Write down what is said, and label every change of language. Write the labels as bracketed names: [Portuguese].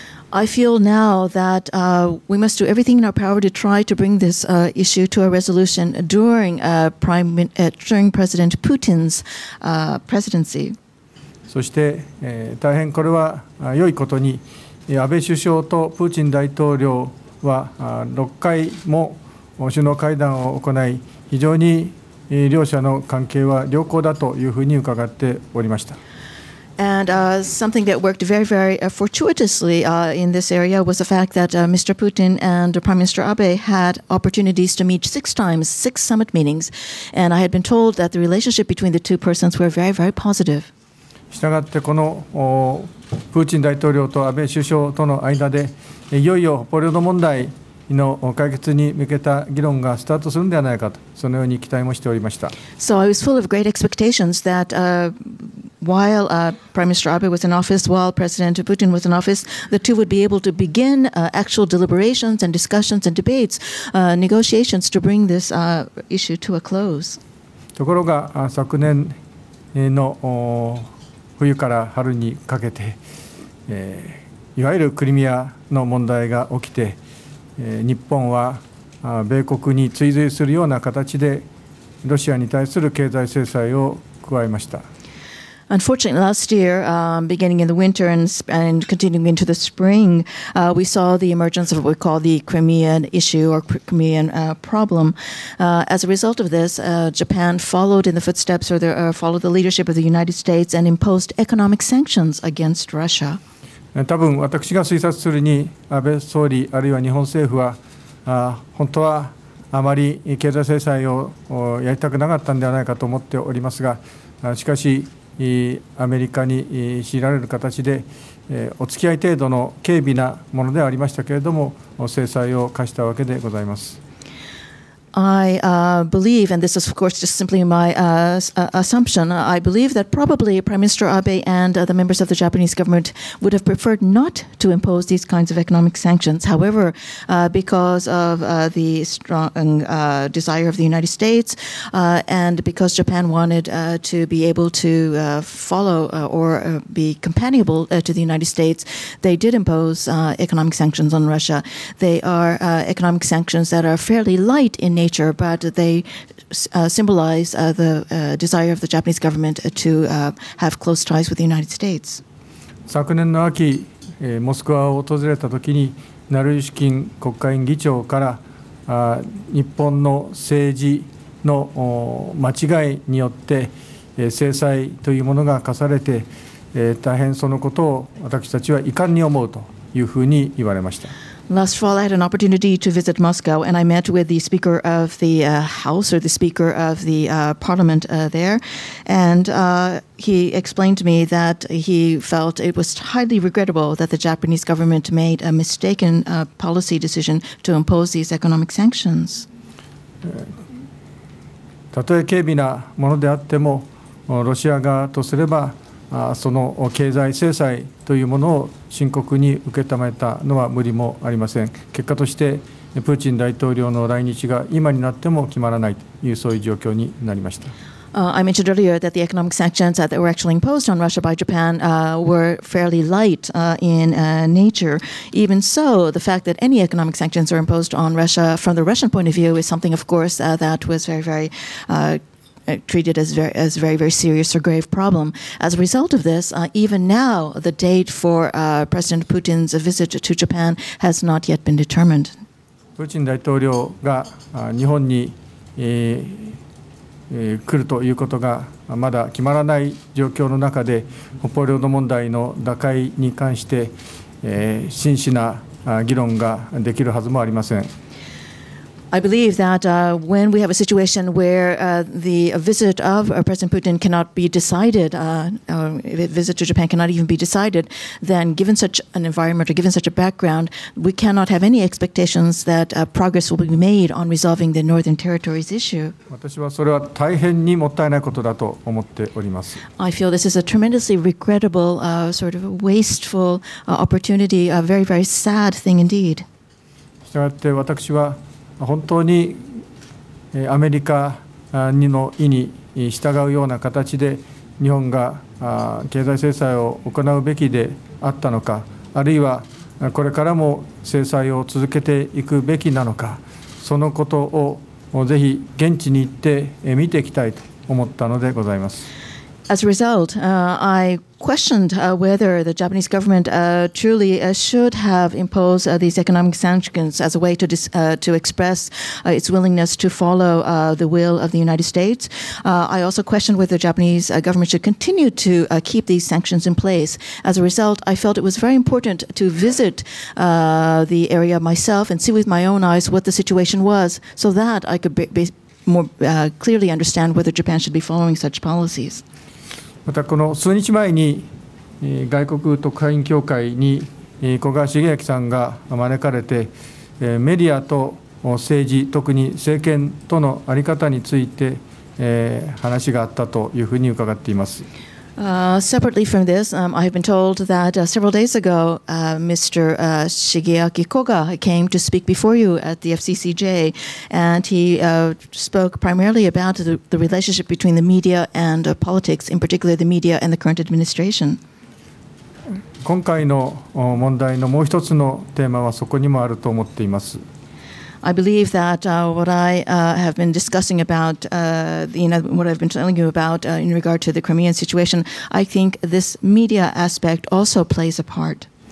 [English] I feel now that we must do everything in our power to try to bring this issue to a resolution during, during President Putin's presidency. [Japanese] そして、大変これは良いことに、安倍首相とプーチン大統領は6回も首脳会談を行い、非常に両者の関係は良好だというふうに伺っておりました。 [English] And something that worked very, very fortuitously in this area was the fact that Mr. Putin and Prime Minister Abe had opportunities to meet six times, six summit meetings. And I had been told that the relationship between the two persons were very, very positive. [Japanese] したがってこのプーチン大統領と安倍首相との間で、いよいよ北方領土問題の解決に向けた議論がスタートするのではないかと、そのように期待もしておりました。 [English] So I was full of great expectations that, while Prime Minister Abe was in office, while President Putin was in office, the two would be able to begin actual deliberations and discussions and debates, negotiations to bring this issue to a close. [Japanese] ところが昨年の冬から春にかけて、いわゆるクリミアの問題が起きて、日本は米国に追随するような形でロシアに対する経済制裁を加えました。 [English] Unfortunately, last year, beginning in the winter and continuing into the spring, we saw the emergence of what we call the Crimean issue or Crimean problem. As a result of this, Japan followed in the footsteps or followed the leadership of the United States and imposed economic sanctions against Russia. [Japanese] 多分私が推察するに、安倍総理あるいは日本政府は本当はあまり経済制裁をやりたくなかったんではないかと思っておりますが、しかしアメリカに強いられる形でお付き合い程度の軽微なものではありましたけれども、制裁を課したわけでございます。 [English] I believe, and this is of course just simply my assumption, I believe that probably Prime Minister Abe and the members of the Japanese government would have preferred not to impose these kinds of economic sanctions. However, because of the strong desire of the United States and because Japan wanted to be able to follow or be companionable to the United States, they did impose economic sanctions on Russia. They are economic sanctions that are fairly light in nature, but they symbolize the desire of the Japanese government to have close ties with the United States. [Japanese] 昨年の秋、モスクワを訪れたときに、ナルイシキン国会議長から、日本の政治の間違いによって、制裁というものが課されて、大変そのことを私たちは遺憾に思うというふうに言われました。 [English] Last fall, I had an opportunity to visit Moscow, and I met with the Speaker of the House or the Speaker of the Parliament there. And he explained to me that he felt it was highly regrettable that the Japanese government made a mistaken policy decision to impose these economic sanctions. [Japanese] たとえ軽微なものであっても、ロシア側とすれば、その経済制裁というものを深刻に受け止めたのは無理もありません。結果としてプーチン大統領の来日が今になっても決まらないというそういう状況になりました。 [English] I mentioned earlier that the economic sanctions that were actually imposed on Russia by Japan were fairly light in nature. Even so, the fact that any economic sanctions are imposed on Russia from the Russian point of view is something, of course, that was very, very treated as very, very serious or grave problem. As a result of this, even now, the date for President Putin's visit to Japan has not yet been determined. [Japanese] プーチン大統領が日本に来るということがまだ決まらない状況の中で、北方領土問題の打開に関して真摯な議論ができるはずもありません。 [English] I believe that when we have a situation where the visit of President Putin cannot be decided, visit to Japan cannot even be decided, then given such an environment or given such a background, we cannot have any expectations that progress will be made on resolving the Northern Territories issue. [Japanese] 私はそれは大変にもったいないことだと思っております。 [English] I feel this is a tremendously regrettable, sort of a wasteful opportunity, a very, very sad thing indeed. [Japanese] したがって私は本当にアメリカの意に従うような形で日本が経済制裁を行うべきであったのか、あるいはこれからも制裁を続けていくべきなのか、そのことをぜひ現地に行って見ていきたいと思ったのでございます。 [English] As a result, I questioned whether the Japanese government truly should have imposed these economic sanctions as a way to express its willingness to follow the will of the United States. I also questioned whether the Japanese government should continue to keep these sanctions in place. As a result, I felt it was very important to visit the area myself and see with my own eyes what the situation was so that I could more clearly understand whether Japan should be following such policies. [Japanese] またこの数日前に外国特派員協会に古賀茂明さんが招かれて、メディアと政治、特に政権との在り方について話があったというふうに伺っています。 [English] Separately from this, I have been told that several days ago, Mr. Shigeaki Koga came to speak before you at the FCCJ, and he spoke primarily about the relationship between the media and politics, in particular the media and the current administration. [Japanese] 今回の問題のもう一つのテーマはそこにもあると思っています。 [English] I believe that what I have been discussing about, you know, what I've been telling you about in regard to the Crimean situation, I think this media aspect also plays a part.